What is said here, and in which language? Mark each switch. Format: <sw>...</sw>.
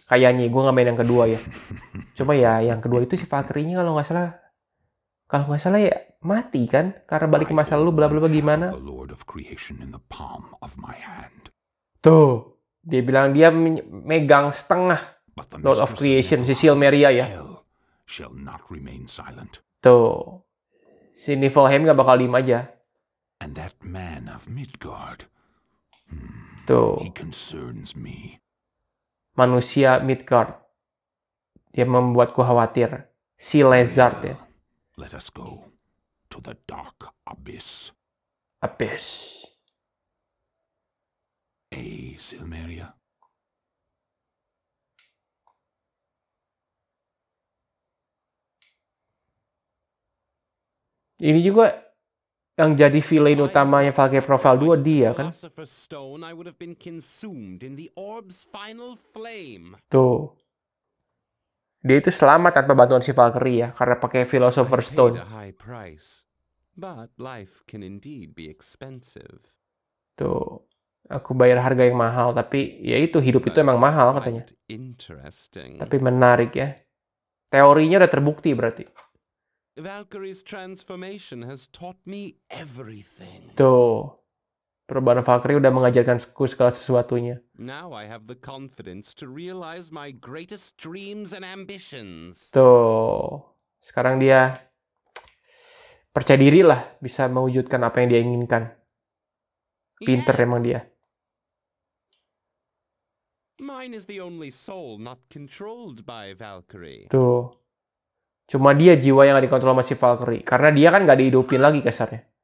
<id>Kayaknya, gue gak main yang kedua ya. Cuma ya, yang kedua itu si Valkyrie-nya kalau gak salah. Kalau gak salah ya, mati kan? Karena balik ke masa lalu, blablabla gimana.</id> <en>The Lord of Creation in the palm of my hand.</en> <id>Tuh, dia bilang dia megang setengah Lord of Creation, si Silmeria ya. Shall not remain silent. Tuh, si Niflheim gak bakal diem aja.</id> <en>And that man of Midgard. Tuh, he concerns me.</en> <id>Manusia Midgard, dia membuatku khawatir.</id> <en>Si Lezard ya. Let us go to the dark abyss. Abyss. Hey, Silmeria.</en> <id>Ini juga yang jadi villain utamanya Valkyrie Profile 2 dia kan.</id> <en>Stone, I would have been consumed in the orb's final flame.</en> <id>Tuh. Dia itu selamat tanpa bantuan si Valkyrie ya, karena pakai Philosopher's Stone.</id> <en>Price, but life can indeed be expensive. Tuh.</en> <id>Aku bayar harga yang mahal, tapi ya itu, hidup itu emang mahal katanya. Tapi menarik ya. Teorinya udah terbukti berarti.</id> <en>Valkyrie's transformation has taught me everything.</en> <id>Tuh, perubahan Valkyrie udah mengajarkanku segala sesuatunya.</id> <en>Now I have the confidence to realize my greatest dreams and ambitions.</en> <id>Tuh, sekarang dia percaya diri lah bisa mewujudkan apa yang dia inginkan. Pinter yes. Emang dia.</id> <en>Mine is the only soul not controlled by Valkyrie.</en> <id>Tuh. Cuma dia jiwa yang gak dikontrol sama si Valkyrie. Karena dia kan gak dihidupin lagi kasarnya.</id>